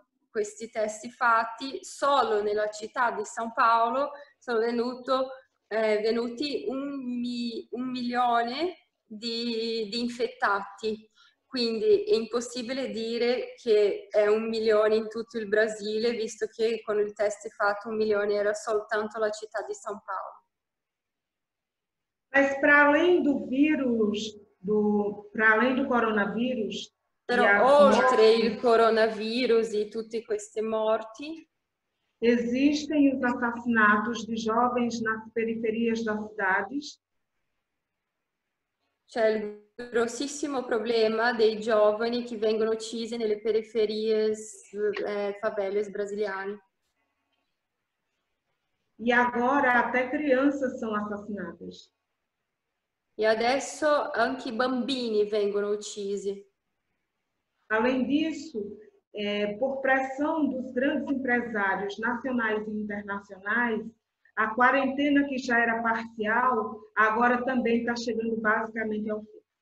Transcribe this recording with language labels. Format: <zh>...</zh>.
<it>questi testi fatti, solo nella città di São Paulo sono venuti un milione di infettati, quindi è impossibile dire che è un milione in tutto il Brasile, visto che con il test fatto un milione era soltanto la città di São Paulo.</it> <pt>Mas para além do vírus, para além do coronavírus,</pt> <it>però oltre il coronavirus e tutte queste morti,</it> <pt>existem os assassinatos de jovens nas periferias das cidades.</pt> <it>C'è il grossissimo problema dei giovani che vengono uccisi nelle periferie, favelas brasiliane.</it> <pt>E agora até crianças são assassinadas.</pt> <it>E adesso anche i bambini vengono uccisi.</it> <pt>Além disso, por pressão dos grandes empresários nacionais e internacionais, a quarentena que já era parcial, agora também está chegando basicamente ao fim.</pt>